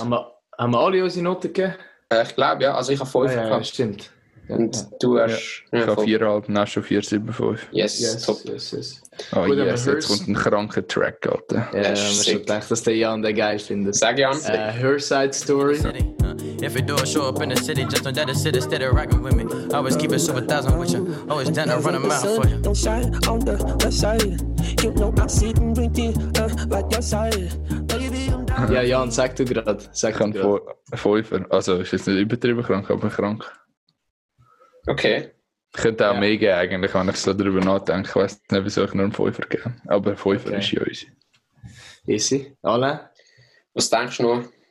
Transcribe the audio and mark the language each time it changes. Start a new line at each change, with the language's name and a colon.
German: Haben wir alle unsere Noten gegeben? Ich glaube, ja. Also ich habe 5 gehabt. Ja, stimmt. Und du hast... Ja. Ich habe 4,5, dann hast du schon 4,75.
English: Yes, top. Oh, yes,
German: jetzt Hearst. Kommt ein kranker Track, Alter. Ja, man hat schon gedacht, dass der Jan den geil findet. Sag Jan. Her Side Story.
English: If it don't show up in the city, just know that the city steady rocking with me. Always keep it super thousand with you. Always down to run a mile for you. Don't shine on the west side. You know I see them bring the light your side.
German: Ja, Jan, sag du gerade. Ich kann 5er. Also, ist jetzt nicht übertrieben krank, aber krank. Okay. Ich könnte auch mehr geben, eigentlich, wenn ich so darüber nachdenke. Ich weiß nicht, wieso ich nur einen 5er gebe. Aber 5er ist ja easy. Easy. Alain? Was denkst du noch?